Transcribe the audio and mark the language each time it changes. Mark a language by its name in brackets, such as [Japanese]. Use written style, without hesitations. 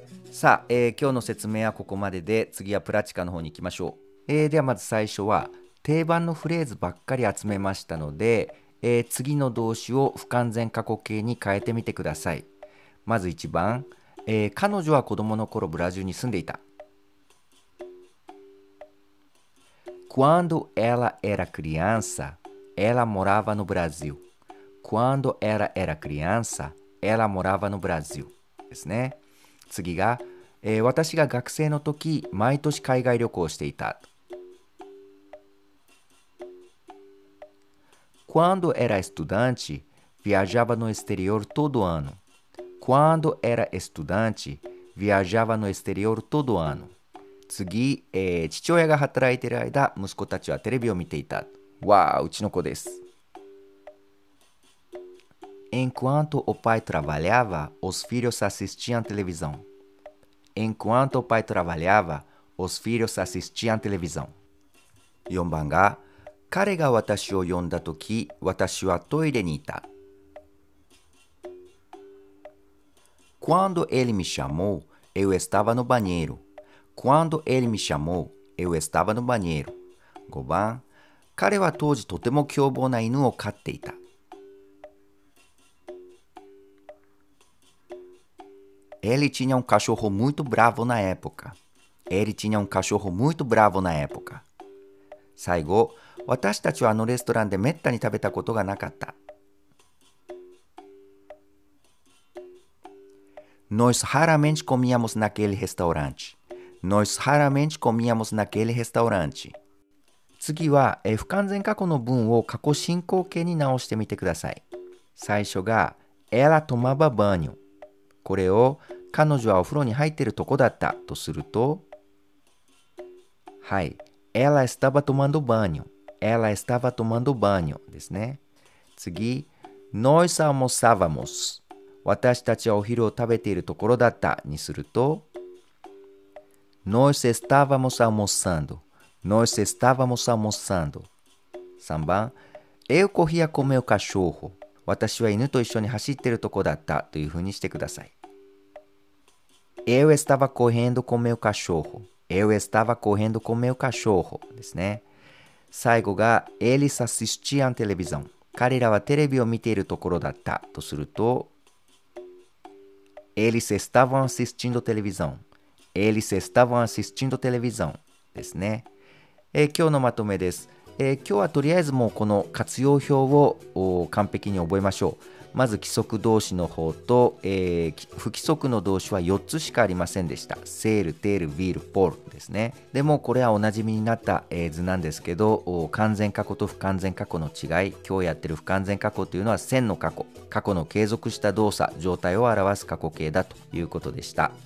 [Japanese] さあ、今日の説明はここまでで、次はプラチカの方に行きましょう。ではまず最初は定番のフレーズばっかり集めましたので、次の動詞を不完全過去形に変えてみてください。まず1番、彼女は子供の頃ブラジルに住んでいた。 [Portuguese] Quando ela era criança, ela morava no Brasil. Quando ela era criança, ela morava no Brasil. [Japanese] ですね。次が、私が学生の時毎年海外旅行していた。 [Portuguese] Quando era estudante, viajava no exterior todo ano. Quando era estudante, viajava no exterior todo ano. [Japanese] 次、父親が働いている間、息子たちはテレビを見ていた。わあ、うちの子です。 [Portuguese] Enquanto o pai trabalhava, os filhos assistiam televisão. Enquanto o pai trabalhava, os filhos assistiam televisão. [Japanese] 4番が、彼が私を呼んだとき、私はトイレにいた。 [Portuguese] Quando ele me chamou, eu estava no banheiro. Quando ele me chamou, eu estava no banheiro. [Japanese] 5番、彼は当時とても凶暴な犬を飼っていた。 [Portuguese] Ele tinha cachorro muito bravo na época. Ele tinha cachorro muito bravo na época. [Japanese] 最後、私たちはあのレストランでめったに食べたことがなかった。 [Portuguese] Nós raramente comíamos naquele restaurante. Nós raramente comíamos naquele restaurante. [Japanese] 次は、不完全過去の文を過去進行形に直してみてください。最初が、 [Portuguese] Ela tomava banho. [Japanese] これを、彼女はお風呂に入ってるとこだったとすると、 [Portuguese] はい、Ela estava tomando banho. ela estava tomando banho ですね。次、nós almoçávamos。 [Japanese] 私たちはお昼を食べているところだったにすると、 [Portuguese] nós estávamos almoçando。 nós estávamos almoçando。 3番、eu corria com meu cachorro。 [Japanese] 私は犬と一緒に走っているところだったというふうにしてください。 [Portuguese] eu estava correndo com meu cachorro。 eu estava correndo com meu cachorro ですね。最後が、eles assistiam televisão。 [Japanese] 彼らはテレビを見ているところだったとすると、 [Portuguese] eles estavam assistindo televisão。 eles estavam assistindo televisão ですね。 [Japanese] 今日のまとめです。今日はとりあえずもうこの活用表を完璧に覚えましょう。まず規則動詞の方と、不規則の動詞は4つしかありませんでした。セール、テール、ビール、ポールですね。でもこれはおなじみになった、図なんですけど、完全過去と不完全過去の違い、今日やってる不完全過去というのは線の過去、過去の継続した動作、状態を表す過去形だということでした。